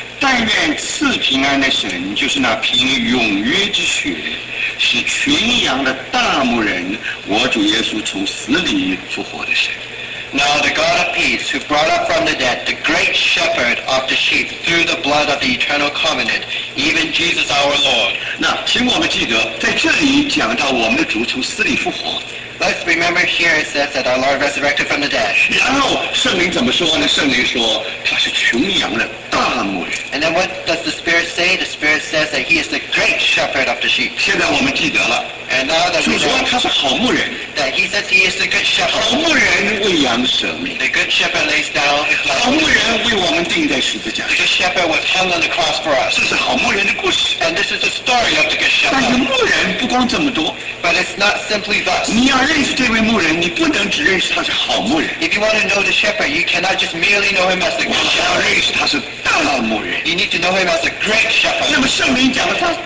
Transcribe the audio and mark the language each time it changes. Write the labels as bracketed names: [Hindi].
[Chinese] 但愿赐平安的神，就是那凭永约之血，使群羊的大牧人，我主耶稣从死里复活的神。 [English] Now the God of peace, who brought up from the dead the great shepherd of the sheep through the blood of the eternal covenant, even Jesus our Lord. [Chinese] 那请我们记得，在这里讲到我们的主从死里复活。 [English] Let's remember here it says that our Lord resurrected from the dead. [Chinese] 然后圣灵怎么说呢？圣灵说他是群羊的大牧人。 [English] And then what does the Spirit say? The Spirit says that he is the great shepherd of the sheep. [Chinese] 现在我们记得了。 [English] And now that we know, [Chinese] 他是好牧人。 [English] That he says he is the good shepherd. [Chinese] 好牧人为羊舍命。 [English] The good shepherd lays down his life. [Chinese] 好牧人为我们钉在十字架上。 [English] The good shepherd was hung on the cross for us. [Chinese] 这是好牧人的故事。 [English] And this is the story of the good shepherd. [Chinese] 但是牧人不光这么多。 [English] But it's not simply thus. [Chinese] 你要认识这位牧人，你不能只认识他是好牧人。 [English] If you want to know the shepherd, you cannot just merely know him as the good shepherd. [Chinese] 他是大牧人。 [English] You need to know him as a great shepherd.